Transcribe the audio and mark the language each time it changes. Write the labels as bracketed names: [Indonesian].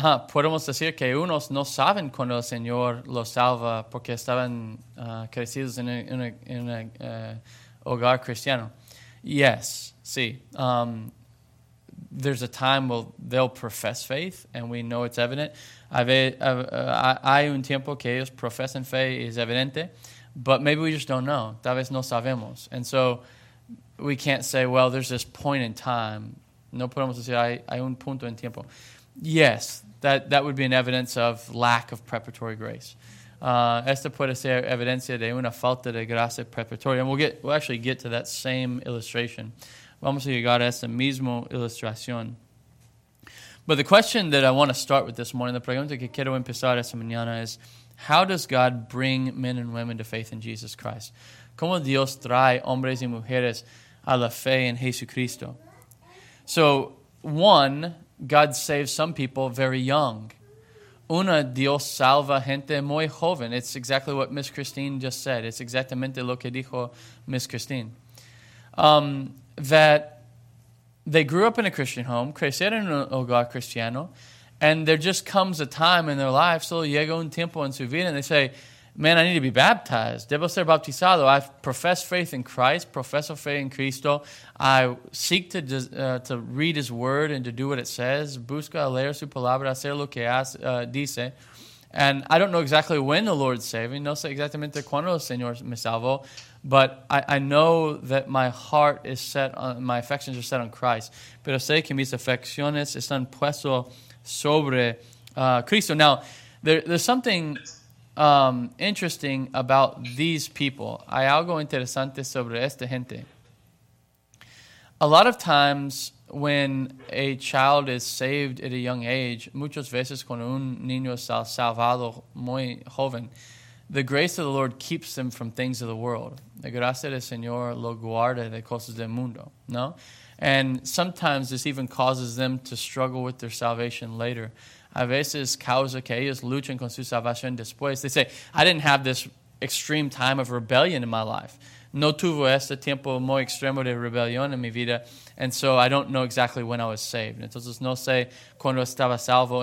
[Spanish] Podemos decir que unos no saben cuando el Señor los salva porque estaban crecidos en un hogar cristiano. [English] Yes, sí. There's a time where they'll profess faith, and we know it's evident. [Spanish] Hay un tiempo que ellos profesan fe y es evidente, but maybe we just don't know. [English] Tal vez no sabemos. And so we can't say, well, there's this point in time. [Spanish] No podemos decir, hay un punto en tiempo. [English] Yes, that would be an evidence of lack of preparatory grace. [Spanish] Esta puede ser evidencia de una falta de gracia preparatoria. [English] And we'll actually get to that same illustration. Vamos a llegar a esa misma ilustración. But the question that I want to start with this morning, the pregunta que quiero empezar esta mañana is, how does God bring men and women to faith in Jesus Christ? [Spanish] ¿Cómo Dios trae hombres y mujeres a la fe en Jesucristo? [English] So, one, God saves some people very young. [Spanish] Una, Dios salva gente muy joven. [English] It's exactly what Miss Christine just said. [Spanish] It's exactamente lo que dijo Miss Christine. [English] That they grew up in a Christian home, crecieron en un hogar cristiano, and there just comes a time in their life, solo llega un tiempo en su vida, and they say, man, I need to be baptized. Debo ser bautizado. I profess faith in Christ, profeso fe en Cristo. I seek to read His Word and to do what it says. [Spanish] Busco leer su palabra, hacer lo que dice. [English] And I don't know exactly when the Lord saved me. [Spanish] No sé exactamente cuándo el Señor me salvó. [English] But I know that my heart is set on, my affections are set on Christ. [Spanish] Pero sé que mis afecciones están puestas sobre Cristo. [English] Now, there's something interesting about these people. [Spanish] Hay algo interesante sobre esta gente. [English] A lot of times when a child is saved at a young age, muchas veces cuando un niño es salvado muy joven, the grace of the Lord keeps them from things of the world. [Spanish] La gracia del Señor lo guarda de cosas del mundo, ¿no? [English] And sometimes this even causes them to struggle with their salvation later. [Spanish] A veces causa que ellos luchan con su salvación después. [English] They say, I didn't have this extreme time of rebellion in my life. [Spanish] No tuvo este tiempo muy extremo de rebelión en mi vida. [English] And so I don't know exactly when I was saved. [Spanish] Entonces no sé cuándo estaba salvo.